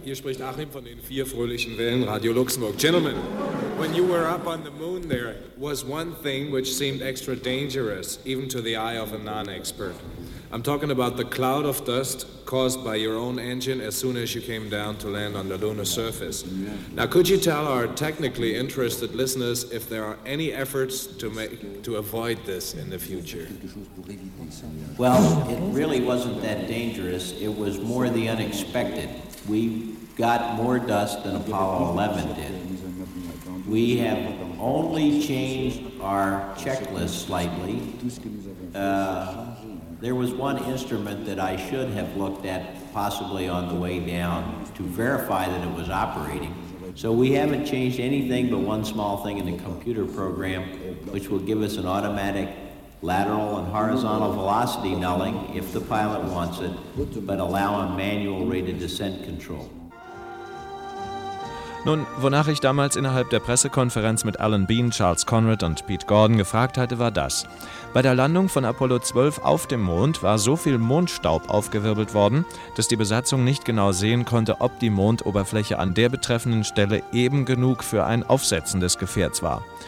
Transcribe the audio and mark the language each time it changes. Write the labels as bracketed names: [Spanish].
[German] Hier spricht Achim von den vier fröhlichen Wellen Radio Luxemburg. [English] Gentlemen, when you were up on the moon there was one thing which seemed extra dangerous, even to the eye of a non-expert. I'm talking about the cloud of dust caused by your own engine as soon as you came down to land on the lunar surface. Now, could you tell our technically interested listeners if there are any efforts to avoid this in the future? Well, it really wasn't that dangerous. It was more the unexpected. We got more dust than Apollo 11 did. We have only changed our checklist slightly. There was one instrument that I should have looked at possibly on the way down to verify that it was operating. So we haven't changed anything but one small thing in the computer program, which will give us an automatic lateral and horizontal velocity nulling if the pilot wants it, but allow a manual rate of descent control. [German] Nun, wonach ich damals innerhalb der Pressekonferenz mit Alan Bean, Charles Conrad und Pete Gordon gefragt hatte, war das. Bei der Landung von Apollo 12 auf dem Mond war so viel Mondstaub aufgewirbelt worden, dass die Besatzung nicht genau sehen konnte, ob die Mondoberfläche an der betreffenden Stelle eben genug für ein Aufsetzen des Gefährts war.